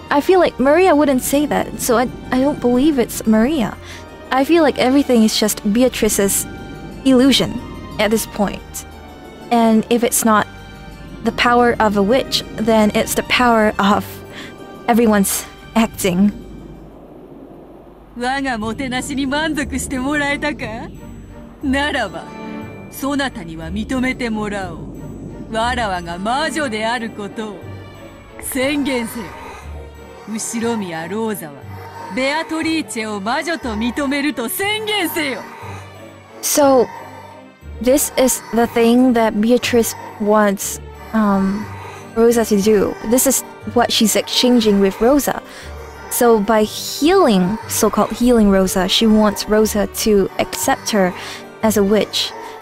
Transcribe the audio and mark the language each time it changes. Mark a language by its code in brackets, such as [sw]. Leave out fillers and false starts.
[en] I feel like Maria wouldn't say that, so I don't believe it's Maria. I feel like everything is just Beatrice's illusion at this point. And if it's not the power of a witch, then it's the power of everyone's acting. [ja] 我がもてなしに満足してもらえたか。ならば、そなたには認めてもらおう。わらわが魔女であることを宣言せよ。後ろ宮ローザはベアトリーチェを魔女と認めると宣言せよ。 [en] So, this is the thing that Beatrice wants Rosa to do. This is what she's exchanging with Rosa. So by healing, so-called healing Rosa, she wants Rosa to accept her as a witch.